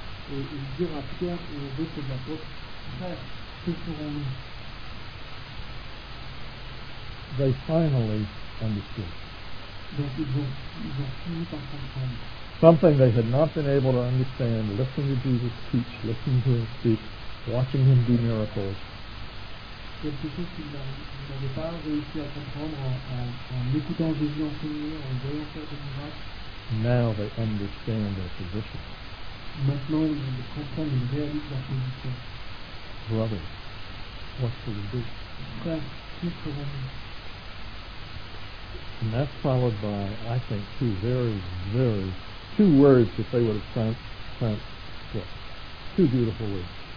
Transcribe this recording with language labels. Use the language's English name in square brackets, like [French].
[French] Et ils dirent à Pierre et aux autres apôtres, "Frères, que ferons-nous?" [English] They finally understood. [French] Donc ils ont fini par comprendre. [English] Something they had not been able to understand, listening to Jesus teach, listening to him speak, watching him do miracles. [French] Quelque chose qu'ils n'avaient pas réussi à comprendre en écoutant Jésus enseigner, en voyant faire des miracles. [English] Now they understand their position. [French] Maintenant, ils vont comprendre, ils réalisent leur position. [English] Brother, what shall we do? [French] Frère, que ferons-nous? [English] And that's followed by, I think, two very, very, two words that they would have translated. Two beautiful words.